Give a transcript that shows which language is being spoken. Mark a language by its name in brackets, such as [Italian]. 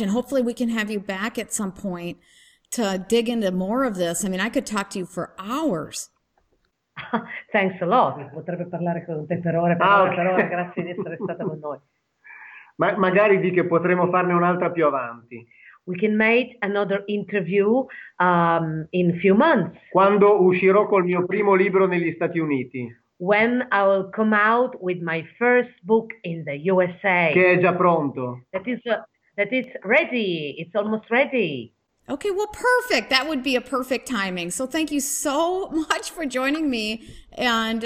[English] And hopefully, we can have you back at some point to dig into more of this. I mean, I could talk to you for hours. Thanks a lot. [Italian] Potrebbe parlare con te per ore, Ah, per ore, ok. grazie di essere stata con noi. Ma magari di che potremo farne un'altra più avanti. [English] We can make another interview in a few months. [Italian] Quando uscirò col mio primo libro negli Stati Uniti, che [English] When I will come out with my first book in the USA. [Italian] è già pronto. [English] That is ready. It's almost ready. Okay, well, perfect. That would be a perfect timing. So thank you so much for joining me and